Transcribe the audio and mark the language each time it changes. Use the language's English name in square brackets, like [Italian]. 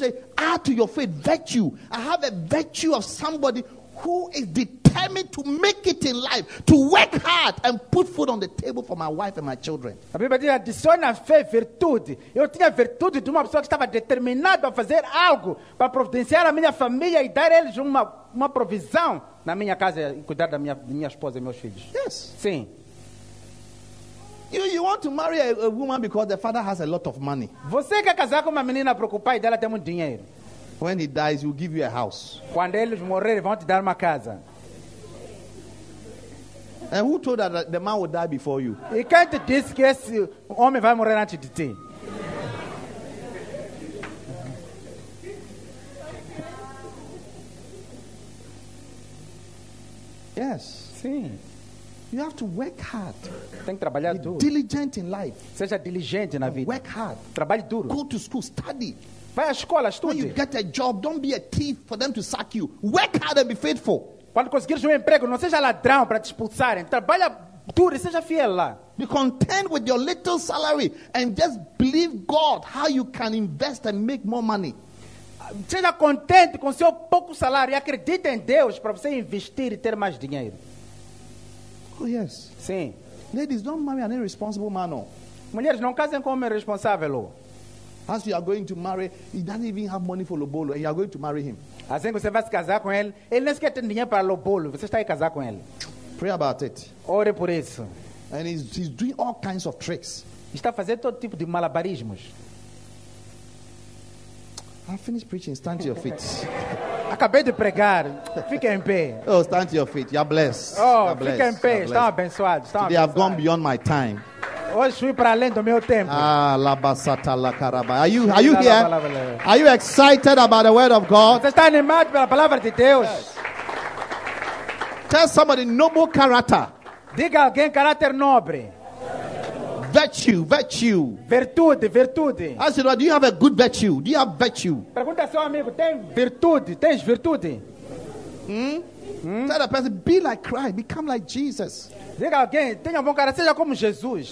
[English] The Bible says, add to your faith virtue. I have a virtue of somebody who is determined to make it in life, to work hard and put food on the table for my wife and my children. [Portuguese] A Bíblia diz, adiciona fé, virtude. Eu tinha virtude de uma pessoa que estava determinada a fazer algo para providenciar a minha família e dar a eles uma provisão na minha casa e cuidar da minha esposa e meus filhos. [English] Yes. [Portuguese] Sim. [English] You want to marry a woman because the father has a lot of money. [Portuguese] Você quer casar com uma menina preocupada e dela tem muito dinheiro. [English] When he dies, he will give you a house. [Portuguese] Quando eles morrerem, vão te dar uma casa. [English] And who told her that the man will die before you? [Portuguese] E quem te disse que esse homem vai morrer antes de ti? [English] Yes. [Portuguese] Sim. [English] You have to work hard. [Portuguese] Tem que trabalhar [English] be [Portuguese] duro. [English] Diligent in life. [Portuguese] Seja diligente na vida. [English] Work hard. [Portuguese] Trabalhe duro. [English] Go to school, study. [Portuguese] Vai à escola, estude. [English] When you get a job, don't be a thief for them to sack you. Work hard and be faithful. [Portuguese] Quando conseguires um emprego, não seja ladrão para te expulsarem. Trabalha duro e seja fiel lá. [English] Be content with your little salary and just believe God how you can invest and make more money. [Portuguese] Seja contente com seu pouco salário e acredite em Deus para você investir e ter mais dinheiro. [English] Oh, yes. [Portuguese] Sim. [English] Ladies, don't marry an irresponsible man. No. [Portuguese] Mulheres, não casem com um homem responsável. [English] As you are going to marry, he doesn't even have money for lobolo, and you are going to marry him. [Portuguese] Assim que você vai se casar com ele, ele não tem dinheiro para lobolo, você está a casar com ele. [English] Pray about it. [Portuguese] Ore por isso. [English] And he's doing all kinds of tricks. [Portuguese] Está fazendo todo tipo de malabarismos. [English] I finished preaching. Stand to your feet. [Portuguese] Acabei de pregar. Fique em pé. [English] Oh, stand to your feet. You are blessed. Oh, you are blessed. [Portuguese] Fique em pé. Está abençoado. [English] Today I've gone beyond my time. [Portuguese] Hoje fui para além do meu tempo. [English] Ah, labasata la caraba. Are you here? Are you excited about the word of God? [Portuguese] Você está animado pela palavra de Deus? [English] Tell somebody noble character. [Portuguese] Diga alguém caráter nobre. [English] Virtue. [Portuguese] Virtude. [English] Ask you, do you have a good virtue? Do you have virtue? [Portuguese] Pergunta seu amigo, tem virtude? Tens virtude? [English] Tell the person, be like Christ, become like Jesus. [Portuguese] Diga alguém, tenha bom caráter, seja como Jesus.